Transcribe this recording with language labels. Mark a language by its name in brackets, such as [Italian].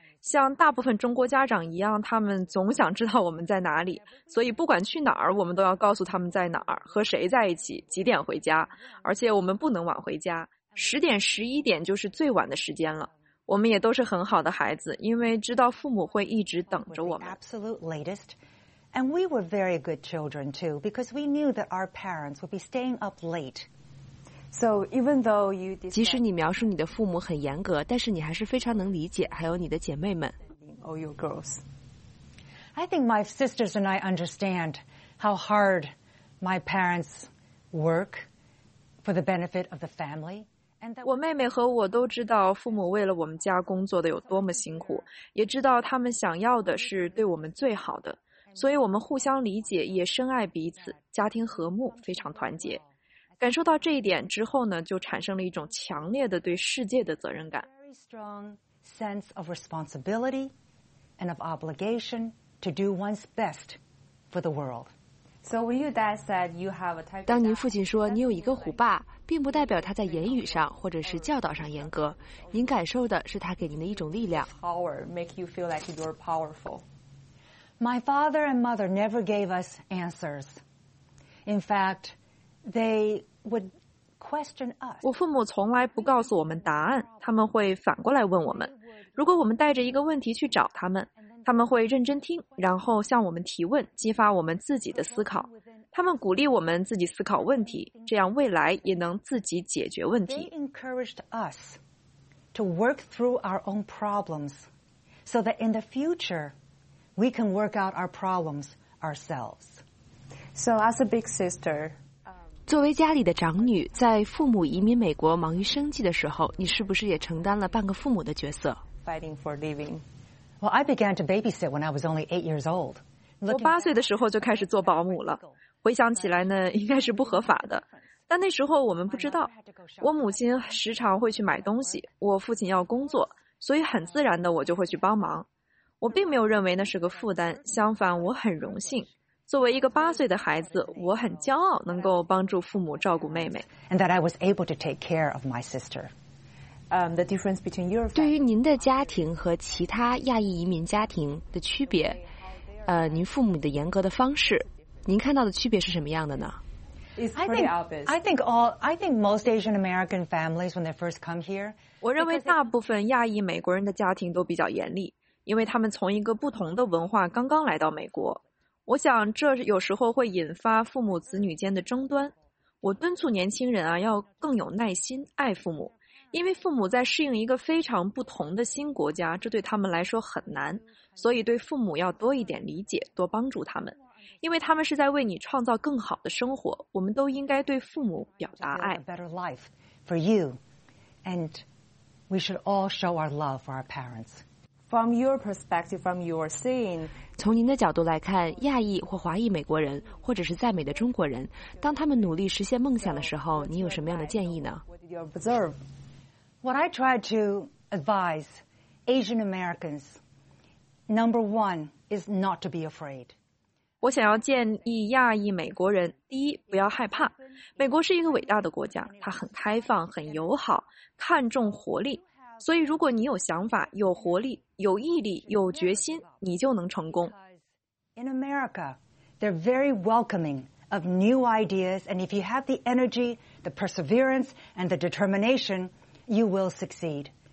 [Chinese] 像大部分中国家长一样，他们总想知道我们在哪里，所以不管去哪儿，我们都要告诉他们在哪儿、和谁在一起、几点回家。而且我们不能晚回家，10点、11点就是最晚的时间了。我们也都是很好的孩子，因为知道父母会一直等着我们。 [English] Absolute latest, and we were very good children too, because we knew that our parents would be staying up late. So even though you, [Chinese] 即使你描述你的父母很严格，但是你还是非常能理解，还有你的姐妹们。 [English] All your girls. I think my sisters and I understand how hard my parents work for the benefit of the family. [Chinese] 我妹妹和我都知道父母为了我们家工作的有多么辛苦，也知道他们想要的是对我们最好的，所以我们互相理解，也深爱彼此，家庭和睦，非常团结。感受到这一点之后呢，就产生了一种强烈的对世界的责任感。 [English] Very strong sense of responsibility and of obligation to do one's best for the world. So when your dad said you have a type, [Chinese] 当您父亲说你有一个虎爸。并不代表他在言语上或者是教导上严格，您感受的是他给您的一种力量。 [English] Power make you feel like you're powerful. My father and mother never gave us answers. In fact, they would question us. [Chinese] 我父母从来不告诉我们答案，他们会反过来问我们。如果我们带着一个问题去找他们，他们会认真听，然后向我们提问，激发我们自己的思考。他们鼓励我们自己思考问题，这样未来也能自己解决问题。 [English] They encouraged us to work through our own problems so that in the future we can work out our problems ourselves. So as a big sister, [Chinese] 作为家里的长女，在父母移民美国忙于生计的时候，你是不是也承担了半个父母的角色？ [English] Fighting for living. Well, I began to babysit when I was only 8 years old. [Chinese] 我8岁的时候就开始做保姆了。回想起来呢，应该是不合法的，但那时候我们不知道。我母亲时常会去买东西，我父亲要工作，所以很自然的我就会去帮忙。我并没有认为那是个负担，相反我很荣幸。作为一个8岁的孩子，我很骄傲能够帮助父母照顾妹妹。 [English] And that I was able to take care of my sister. The difference between your [Chinese] 对于您的家庭和其他亚裔移民家庭的区别，您父母的严格的方式。您看到的区别是什么样的呢？ [English] I think most Asian American families when they first come here, [Chinese] 我认为大部分亚裔美国人的家庭都比较严厉，因为他们从一个不同的文化刚刚来到美国。我想这有时候会引发父母子女间的争端。我敦促年轻人啊，要更有耐心，爱父母，因为父母在适应一个非常不同的新国家，这对他们来说很难，所以对父母要多一点理解，多帮助他们。因为他们是在为你创造更好的生活，我们都应该对父母表达爱。 [English] A better life for you, and we should all show our love for our parents. From your perspective, from your seeing, [Chinese] 从您的角度来看，亚裔或华裔美国人，或者是在美的中国人，当他们努力实现梦想的时候，你有什么样的建议呢？ [English] What did you observe? What I try to advise Asian Americans, number one, is not to be afraid. [Chinese] 我想要建议亚裔美国人，第一，不要害怕。美国是一个伟大的国家，它很开放，很友好，看重活力。所以如果你有想法，有活力，有毅力，有决心，你就能成功。 [English] In America, they're very welcoming of new ideas, and if you have the energy, the perseverance, and the determination, you will succeed.